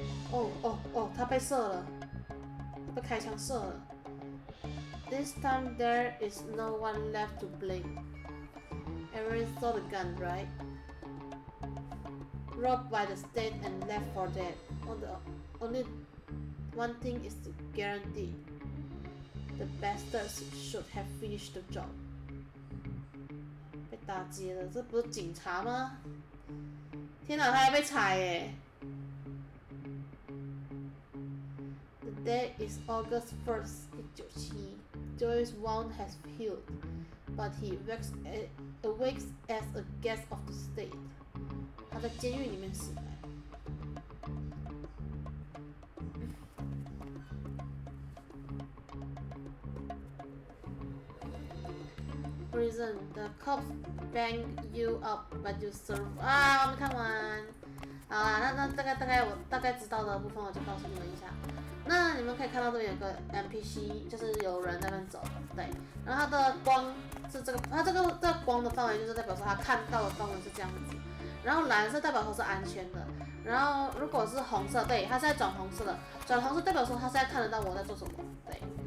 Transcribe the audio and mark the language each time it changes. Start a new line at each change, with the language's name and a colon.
Chinese: 哦哦哦，他被射了，被开枪射了。
English: This time there is no one left to blame. Everyone saw the gun, right? Robbed by the state and left for dead. Only one thing is guaranteed. The bastards should have finished the job.
Chinese: 被打劫了，这不是警察吗？天哪，他还被踩耶。
English: That is August 1st, 1971. Joy's wound has healed, but he awakes as a guest of the state.
Chinese: 他在监狱里面死了。
English: Prison, the cops bang you up, but you survive.
Chinese: 啊，我没看完。好啦，那大概知道的部分，我就告诉你们一下。那你们可以看到这边有个 NPC， 就是有人在那边走，对。然后它的光是这个，它这个光的范围就是代表说它看到的范围是这样子。然后蓝色代表说是安全的，然后如果是红色，对，它是在转红色的，转红色代表说它是在看得到我在做什么，对。